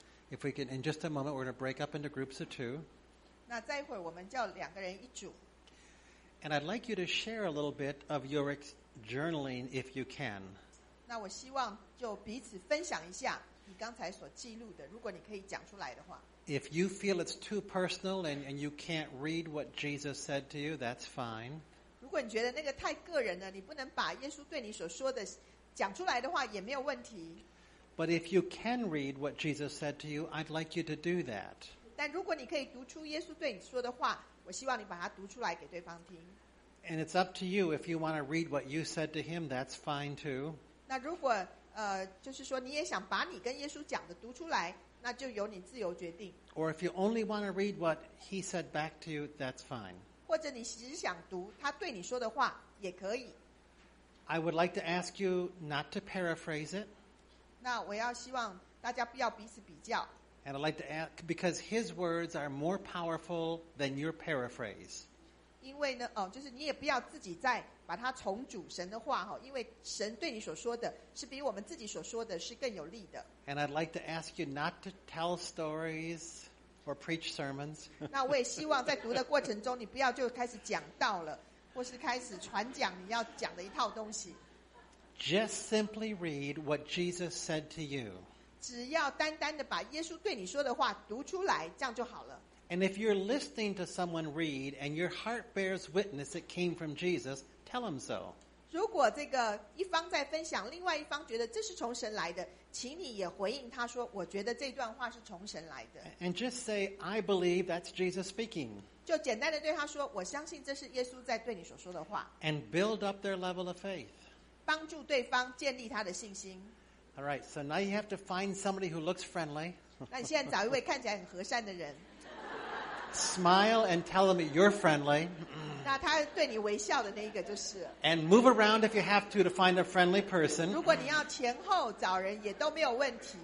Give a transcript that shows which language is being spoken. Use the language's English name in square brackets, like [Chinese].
[English] If we could, in just a moment, we're going to break up into groups of two. [Chinese] 那再一会儿我们叫两个人一组。 [English] And I'd like you to share a little bit of your journaling if you can. [Chinese] 那我希望就彼此分享一下你刚才所记录的，如果你可以讲出来的话。 [English] If you feel it's too personal and you can't read what Jesus said to you, that's fine. [Chinese] 如果你觉得那个太个人了，你不能把耶稣对你所说的讲出来的话，也没有问题。 [English] But if you can read what Jesus said to you, I'd like you to do that. [Chinese] 但如果你可以读出耶稣对你说的话，我希望你把它读出来给对方听。 [English] And it's up to you if you want to read what you said to him, that's fine too. [Chinese] 那如果就是说你也想把你跟耶稣讲的读出来。那就由你自由决定。 [English] Or if you only want to read what he said back to you, that's fine. [Chinese] 或者你只想读他对你说的话，也可以。 [English] I would like to ask you not to paraphrase it. [Chinese] 那我要希望大家不要彼此比较。 [English] And I'd like to ask because his words are more powerful than your paraphrase. [Chinese] 因为呢，哦，就是你也不要自己再把它重组神的话，因为神对你所说的是比我们自己所说的是更有力的。 [English] And I'd like to ask you not to tell stories or preach sermons. [Chinese] 那我也希望在读的过程中你不要就开始讲道了，或是开始传讲你要讲的一套东西。 [English] Just simply read what Jesus said to you. [Chinese] 只要单单的把耶稣对你说的话读出来，这样就好了。 [English] And if you're listening to someone read and your heart bears witness it came from Jesus, tell them so. [Chinese] 如果这个一方在分享，另外一方觉得这是从神来的，请你也回应他说，我觉得这段话是从神来的。 [English] And just say, I believe that's Jesus speaking. [Chinese] 就简单的对他说，我相信这是耶稣在对你所说的话。 [English] And build up their level of faith. [Chinese] 帮助对方建立他的信心。 [English] All right, so now you have to find somebody who looks friendly. [Chinese] 那你现在找一位看起来很和善的人。 [English] Smile and tell them you're friendly. [Chinese] 那他对你微笑的那一个就是。 [English] And move around if you have to find a friendly person. [Chinese] 如果你要前后找人也都没有问题。